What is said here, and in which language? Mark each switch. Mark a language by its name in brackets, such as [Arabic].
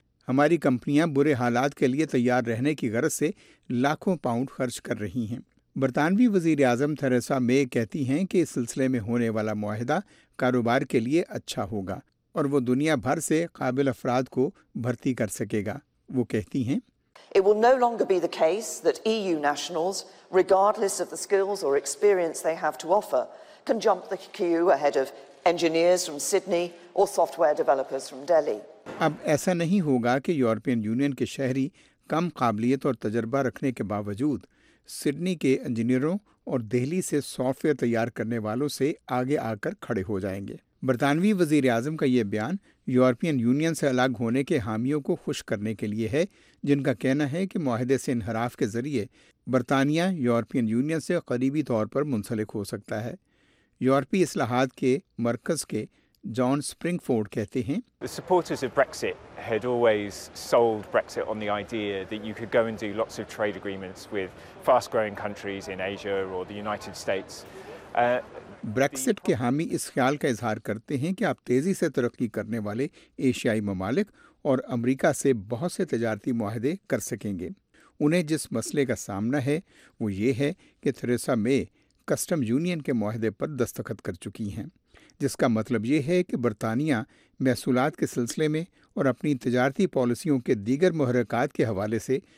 [Urdu] ہماری کمپنیاں برے حالات کے لیے تیار رہنے کی غرض سے لاکھوں پاؤنڈ خرچ کر رہی ہیں۔ برطانوی وزیر اعظم تھریسا مے کہتی ہیں کہ اس سلسلے میں ہونے والا معاہدہ کاروبار کے لیے اچھا ہوگا اور وہ دنیا بھر سے قابل افراد کو بھرتی کر سکے گا۔ وہ کہتی ہیں [English] It will no longer be the case that EU nationals, regardless of the skills or experience they have to offer, can jump the queue ahead of engineers from Sydney or software developers from Delhi. [Urdu] اب ایسا نہیں ہوگا کہ European union کے شہری کم قابلیت اور تجربہ رکھنے کے باوجود سڈنی کے انجینئروں اور دہلی سے سافٹ ویئر تیار کرنے والوں سے آگے آ کر کھڑے ہو جائیں گے۔ برطانوی وزیر اعظم کا یہ بیان یورپین یونین سے الگ ہونے کے حامیوں کو خوش کرنے کے لیے ہے، جن کا کہنا ہے کہ معاہدے سے انحراف کے ذریعے برطانیہ یورپین یونین سے قریبی طور پر منسلک ہو سکتا ہے۔ یورپی اصلاحات کے مرکز کے جان اسپرنگ فورڈ کہتے ہیں [English] The supporters of Brexit had always sold Brexit on the idea that you could go and do lots of trade agreements with fast-growing countries in Asia or the United States. [Urdu] Brexit کے حامی اس خیال کا اظہار کرتے ہیں کہ آپ تیزی سے ترقی کرنے والے ایشیائی ممالک اور امریکہ سے بہت سے تجارتی معاہدے کر سکیں گے۔ انہیں جس مسئلے کا سامنا ہے وہ یہ ہے کہ تھریسا مے کسٹم یونین کے معاہدے پر دستخط کر چکی ہیں، جس کا مطلب یہ ہے کہ برطانیہ محصولات کے سلسلے میں اور اپنی تجارتی پالیسیوں کے دیگر محرکات کے حوالے سے